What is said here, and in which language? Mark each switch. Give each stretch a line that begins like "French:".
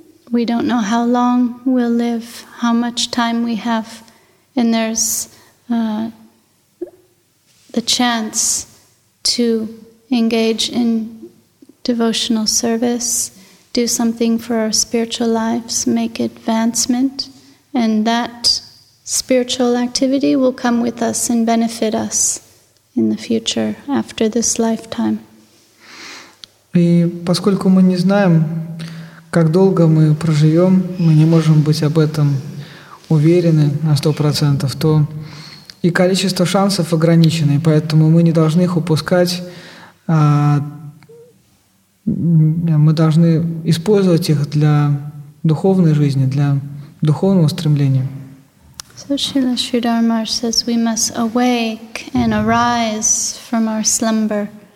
English: We don't know how long we'll live, how much time we have, and there's the chance to engage in devotional service, do something for our spiritual lives, make advancement, and that spiritual activity will come with us and benefit us in the future, after this lifetime.
Russian: И поскольку мы не знаем, как долго мы проживем, мы не можем быть об этом уверены на 100%, то и количество шансов ограничено, и поэтому мы не должны их упускать, мы должны использовать их для духовной жизни, для духовного стремления.
English: So Srila Sridhar Maharaj says we must awake and arise from our slumber.